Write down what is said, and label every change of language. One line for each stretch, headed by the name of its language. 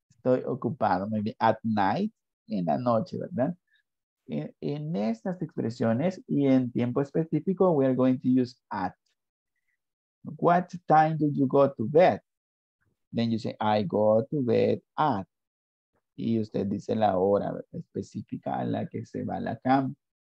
Spanish: Estoy ocupado, maybe at night, en la noche, ¿verdad? En estas expresiones y en tiempo específico, we are going to use at.
English: What time do you go to bed? Then you say, I go to bed at.
Spanish: Y usted dice la hora específica a la que se va a la cama.